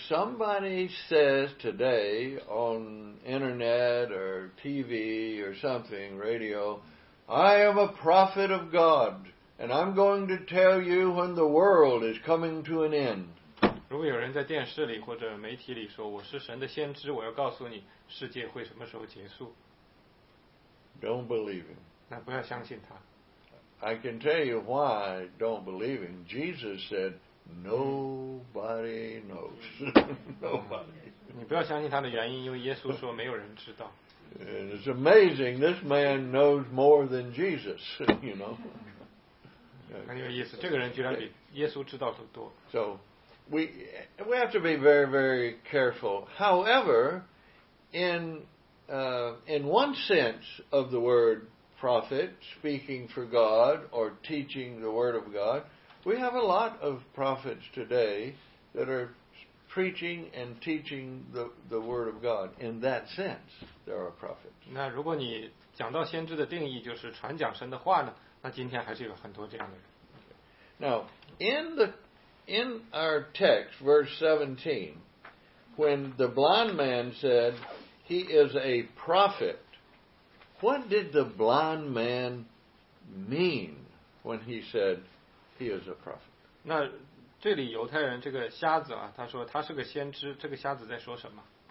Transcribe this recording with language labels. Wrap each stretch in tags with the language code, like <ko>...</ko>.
<en>somebody says today on internet or TV or something, radio, I am a prophet of God, and I'm going to tell you when the world is coming to an end.</en> <zh>如果有人在电视里或者媒体里说我是神的先知，我要告诉你世界会什么时候结束。</zh> <en>Don't believe him.</en> <zh>那不要相信他。</zh> <en>I can tell you why I don't believe him. Jesus said, nobody knows. Nobody.</en> <zh>你不要相信他的原因，因为耶稣说没有人知道。</zh> <en>And it's amazing, this man knows more than Jesus, you know.</en> <zh>很有意思，这个人居然比耶稣知道的多。</zh> <en>So, we have to be very, very careful. However, in one sense of the word prophet, speaking for God or teaching the word of God, we have a lot of prophets today that are preaching and teaching the word of God. In that sense, there are prophets.</en> <zh>那如果你讲到先知的定义，就是传讲神的话呢？那今天还是有很多这样的人。</zh> <en>Now, in our text, verse 17, when the blind man said he is a prophet, what did the blind man mean when he said he is a prophet?</en> <zh>那这里犹太人这个瞎子啊，他说他是个先知，这个瞎子在说什么？</zh>